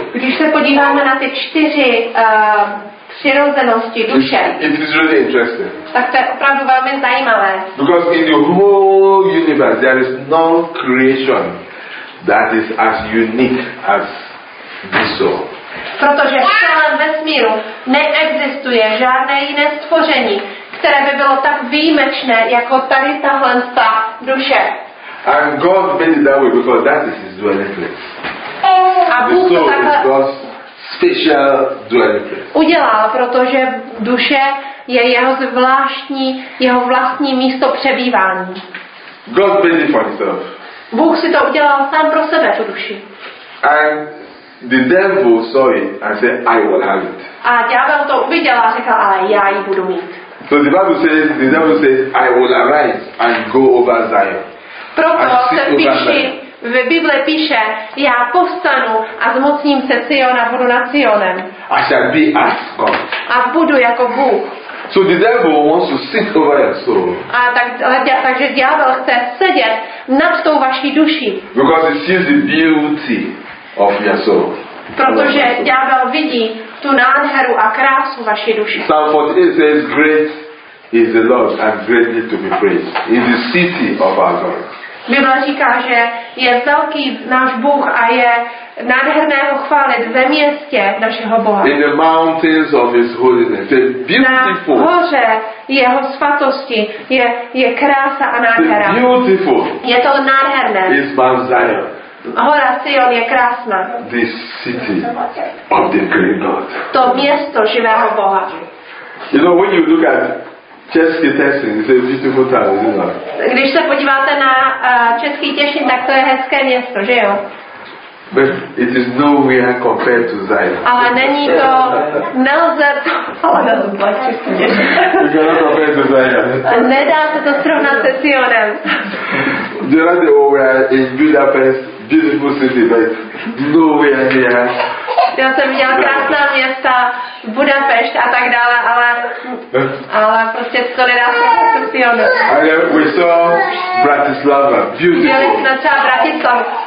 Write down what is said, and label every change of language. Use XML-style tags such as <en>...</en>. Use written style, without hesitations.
<cs>když se podíváme na ty čtyři přirozenosti duše,</cs> <en>it is really interesting.</en> <cs>Tak to je opravdu velmi zajímavé.</cs> <en>Because in the whole universe there is no creation that is as unique as this soul.</en> <cs>Protože v celém vesmíru neexistuje žádné jiné stvoření, které by bylo tak výjimečné jako tady tahle ta duše.</cs> <en>And God made it that way because that is his dwelling place.</en> <cs>A Bůh to takhle</cs> <en>special dwelling place.</en> <cs>Udělal, protože duše je jeho zvláštní, jeho vlastní místo přebývání.</cs> <en>God made it for himself.</en> <cs>Bůh si to udělal sám pro sebe, tu duši.</cs> <en>And the devil saw it and said, I will have it.</en> <cs>A ďábel to uviděl a řekl, ale já ji budu mít.</cs> <en>So the Bible says, the devil says, I will arise and go over Zion.</en> <cs>Proto se píše, v Bible píše, já povstanu a zmocním se Siona, budu nad Sionem.</cs> <en>I shall be as God.</en> <cs>A budu jako Bůh.</cs> <en>So the devil wants to sit over your soul.</en> <cs>A tak, takže ďábel chce sedět nad tou vaší duší.</cs> <en>Because he sees the beauty of your soul.</en> <cs>Protože ďábel vidí tu nádheru a krásu vaší duši.</cs> <en>Psalm 48 says, great is the Lord and greatly to be praised. In the city of our God.</en> <cs>Bible říká, že je velký náš Bůh a je nádherné ho chválit ve městě našeho Boha.</cs> <en>In the mountains of his holiness, it's beautiful.</en> <cs>Na hoře jeho svatosti je krása a nádhera.</cs> <en>It's beautiful.</en> <cs>Je to nádherné.</cs> <en>It's Mount Zion.</en> <cs>Hora Sion je krásná.</cs> <en>The city of the great God.</en> <cs>To město živého Boha.</cs> <en>You know, when you look at Český Těšín, it's a beautiful town, isn't it?</en> <cs>Když se podíváte na Český Těšín, tak to je hezké město, že jo?</cs> <en>But it is nowhere compared to Zion.</en> <cs>Ale není to, nelze to, ale nelze to zbavit Český Těšín. Nedá se to srovnat se Sionem.</cs> <en>There are the over in Budapest, beautiful city, but nowhere near.</en> <cs>Já jsem viděla krásná města, Budapešť a tak dále, ale prostě to nedá se srovnat.</cs> <en>We saw Bratislava, beautiful.</en> <cs>Měli jsme třeba Bratislava.</cs>